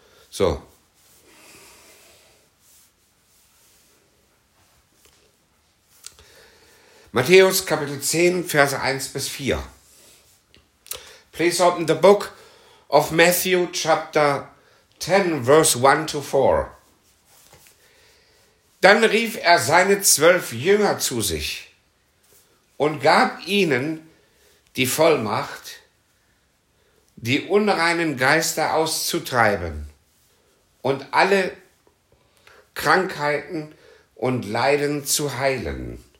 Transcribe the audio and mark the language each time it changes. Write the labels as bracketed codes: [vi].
[de] So. Matthäus Kapitel 10, Verse 1 bis 4. [en] Please open the book of Matthew, chapter 10, verse 1 to 4. [de] Dann rief er seine 12 Jünger zu sich und gab ihnen die Vollmacht, die unreinen Geister auszutreiben und alle Krankheiten und Leiden zu heilen.